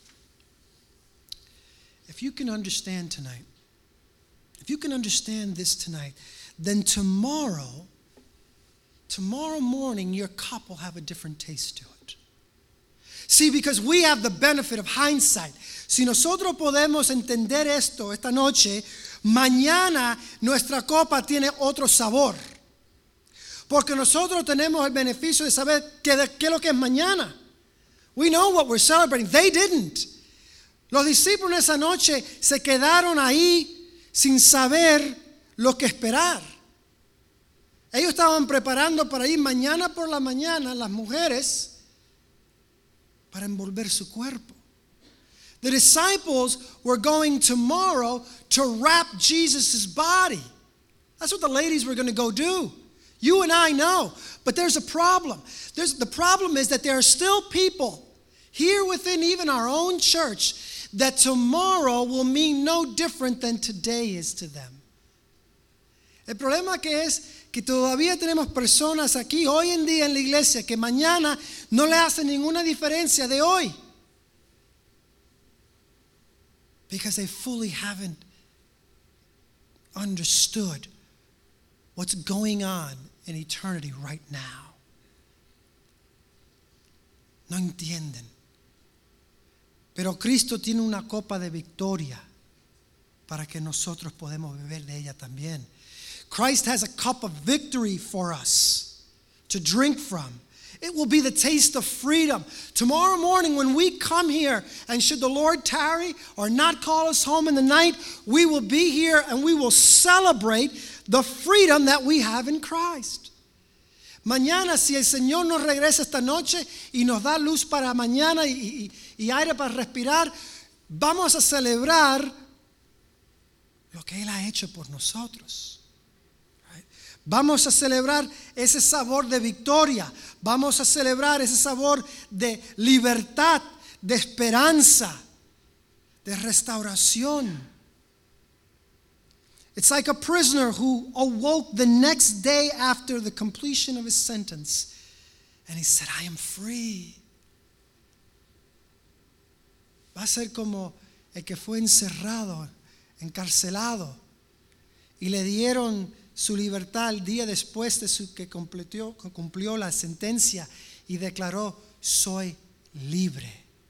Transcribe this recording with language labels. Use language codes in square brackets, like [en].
[en] Right? If you can understand tonight, if you can understand this tonight, then tomorrow morning, your cup will have a different taste to it. See, because we have the benefit of hindsight. [es] Si nosotros podemos entender esto esta noche, mañana nuestra copa tiene otro sabor. Porque nosotros tenemos el beneficio de saber qué es lo que es mañana. [en] We know what we're celebrating. They didn't. [es] Los discípulos esa noche se quedaron ahí sin saber lo que esperar. Ellos estaban preparando para ir mañana por la mañana, las mujeres, para envolver su cuerpo. [en] The disciples were going tomorrow to wrap Jesus' body. That's what the ladies were going to go do. You and I know. But there's a problem. The problem is that there are still people here within even our own church that tomorrow will mean no different than today is to them. [es] El problema que es que todavía tenemos personas aquí hoy en día en la iglesia que mañana no le hace ninguna diferencia de hoy. [en] Because they fully haven't understood what's going on in eternity right now. [es] No entienden. Pero Cristo tiene una copa de victoria para que nosotros podemos beber de ella también. [en] Christ has a cup of victory for us to drink from. It will be the taste of freedom. Tomorrow morning when we come here, and should the Lord tarry or not call us home in the night, we will be here and we will celebrate the freedom that we have in Christ. [es] Mañana, si el Señor nos regresa esta noche y nos da luz para mañana y aire para respirar, vamos a celebrar lo que Él ha hecho por nosotros. Vamos a celebrar ese sabor de victoria. Vamos a celebrar ese sabor de libertad, de esperanza, de restauración. [en] It's like a prisoner who awoke the next day after the completion of his sentence. And he said, I am free. [es] Va a ser como el que fue encerrado, encarcelado, y le dieron su libertad el día después de su que cumplió la sentencia y declaró, soy libre.